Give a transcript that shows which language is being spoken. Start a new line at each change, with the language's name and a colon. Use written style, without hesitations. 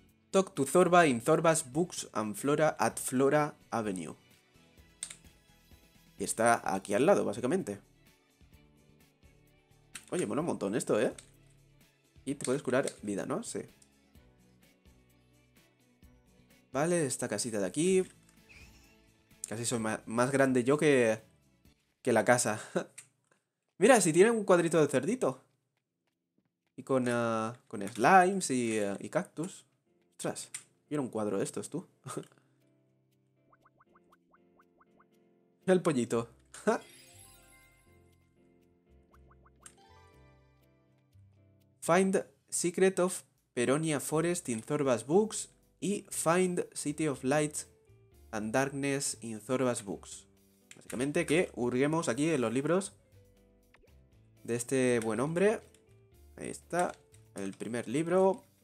English: Talk to Zorba in Zorba's Books and Flora at Flora Avenue.
Spanish: Y está aquí al lado, básicamente. Oye, mola un montón esto, ¿eh? Y te puedes curar vida, ¿no? Sí. Vale, esta casita de aquí. Casi soy más grande yo que la casa. Mira, si tiene un cuadrito de cerdito. Y con slimes y cactus. Ostras, mira un cuadro de estos, tú. El pollito.
English: Find Secret of Peronia Forest in Zorba's Books. Y Find City of Light and Darkness in Zorba's Books.
Spanish: Básicamente que hurguemos aquí en los libros de este buen hombre. Ahí está el primer libro.